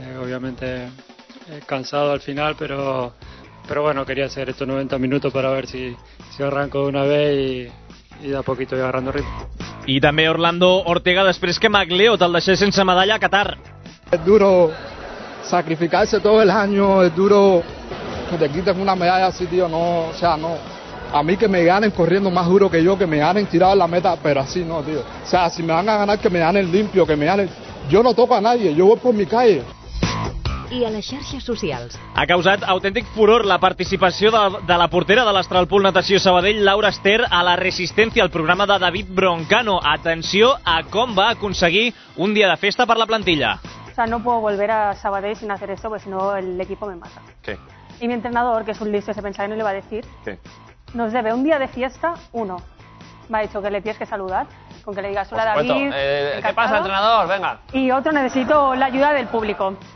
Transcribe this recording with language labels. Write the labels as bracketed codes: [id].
[es] Obviamente cansado al final, pero bueno, quería hacer estos 90 minutos para ver si arranco de una vez y de a poquito voy agarrando ritmo. [ca] I també Orlando Ortega, després que McLeod el deixés sense medalla a Qatar. [es] Es duro sacrificarse todo el año, es duro que te quiten una medalla así, tío, no, o sea, no. A mí que me ganen corriendo más duro que yo, que me ganen tirado en la meta, pero así no, tío. O sea, si me van a ganar, que me ganen limpio, que me ganen... Yo no toco a nadie, yo voy por mi calle. [ca] I a les xarxes socials. Ha causat autèntic furor la participació de la portera de l'Astral Pool Natació Sabadell, Laura Ester, a la Resistència, al programa de David Broncano. Atenció a com va aconseguir un dia de festa per la plantilla. [es] O sea, no puedo volver a Sabadell sin hacer eso, porque si no el equipo me mata. ¿Qué? Y mi entrenador, que es un listo, se pensaba y no le va a decir. ¿Qué? Nos debe un día de fiesta, uno. Me ha dicho que le tienes que saludar, con que le digas hola, David. ¿Qué pasa, entrenador? Venga. Y otro, necesito la ayuda del público.